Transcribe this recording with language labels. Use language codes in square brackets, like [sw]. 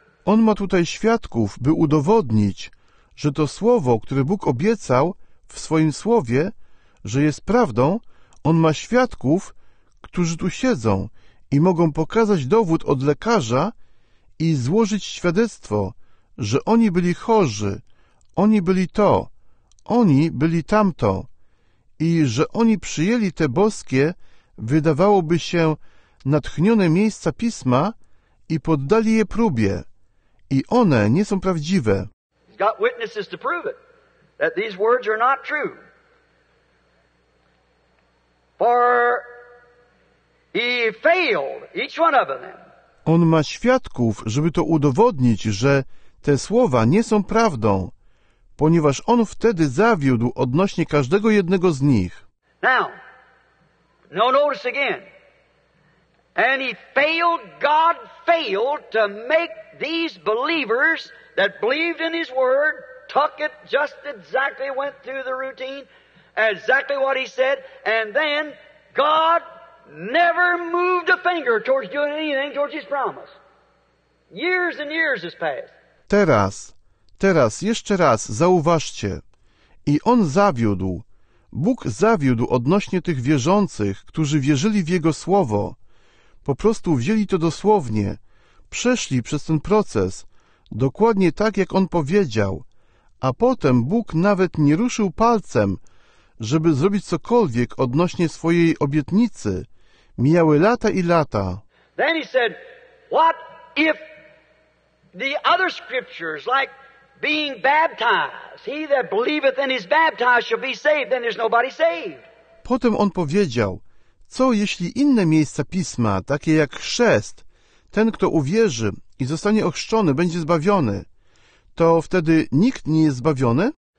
[pl] On ma tutaj świadków, by udowodnić, że to słowo, które Bóg obiecał w swoim słowie, że jest prawdą, on ma świadków, którzy tu siedzą i mogą pokazać dowód od lekarza i złożyć świadectwo, że oni byli chorzy, oni byli to, oni byli tamto i że oni przyjęli te boskie, wydawałoby się, natchnione miejsca Pisma i poddali je próbie. I one nie są prawdziwe. [en] He's got witnesses to prove it, that these words are not true. For he failed, each one of them. [pl] On ma świadków, żeby to udowodnić, że te słowa nie są prawdą, ponieważ on wtedy zawiódł odnośnie każdego jednego z nich. [en] Now, no notice again. And he failed, God failed to make these believers that believed in his word, took it just exactly, went through the routine, exactly what he said, and then God never moved a finger towards doing anything towards his promise. Years and years has passed. [pl] Teraz, jeszcze raz, zauważcie. I on zawiódł. Bóg zawiódł odnośnie tych wierzących, którzy wierzyli w jego słowo. Po prostu wzięli to dosłownie. Przeszli przez ten proces, dokładnie tak, jak on powiedział, a potem Bóg nawet nie ruszył palcem, żeby zrobić cokolwiek odnośnie swojej obietnicy. Mijały lata i lata. [en] Then he said, what if the other scriptures, like being baptized, he that believeth and is baptized shall be saved, then there's nobody saved. [pl] Potem on powiedział, co jeśli inne miejsca Pisma, takie jak chrzest, ten, kto uwierzy i zostanie ochrzczony, będzie zbawiony. To wtedy nikt nie jest zbawiony?